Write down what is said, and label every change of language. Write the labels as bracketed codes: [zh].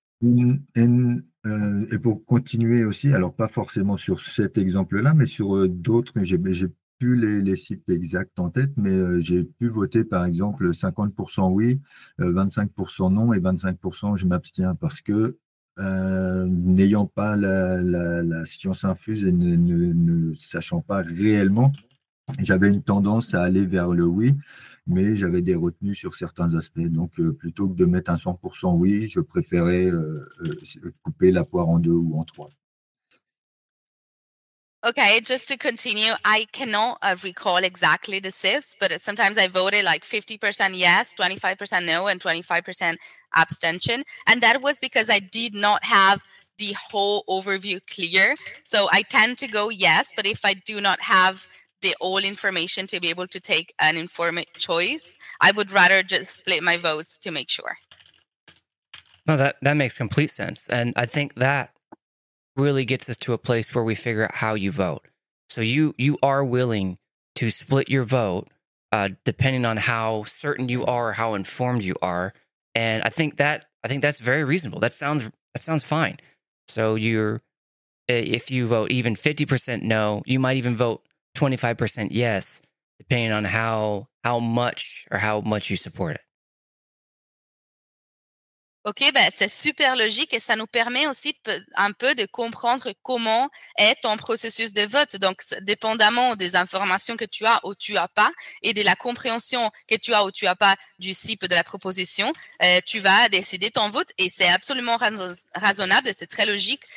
[fr] Et pour continuer aussi, alors pas forcément sur cet exemple-là, mais sur d'autres, j'ai plus les sites exacts en tête, mais j'ai pu voter par exemple 50% oui, 25% non et 25% je m'abstiens parce que n'ayant pas la science infuse et ne sachant pas réellement, j'avais une tendance à aller vers le oui, mais j'avais des retenues sur certains aspects. Donc, plutôt que de mettre un 100% oui, je préférais couper la poire en deux ou en trois. [en] Okay, just to continue, I cannot recall exactly the SIFs, but sometimes I voted like 50% yes, 25% no, and 25% abstention. And that was because I did not have the whole overview clear. So I tend to go yes, but if I do not have the all information to be able to take an informed choice, I would rather just split my votes to make sure. No, that makes complete sense. And I think that really gets us to a place where we figure out how you vote. So you are willing to split your vote depending on how certain you are, or how informed you are. And I think that's very reasonable. That sounds fine. So if you vote even 50% no, you might even vote 25% yes, depending on how much you support it. [fr] OK, ben, c'est super logique et ça nous permet aussi un peu de comprendre comment est ton processus de vote. Donc, dépendamment des informations que tu as ou tu n'as pas et de la compréhension que tu as ou tu n'as pas du CIP de la proposition, tu vas décider ton vote et c'est absolument raisonnable, c'est très logique.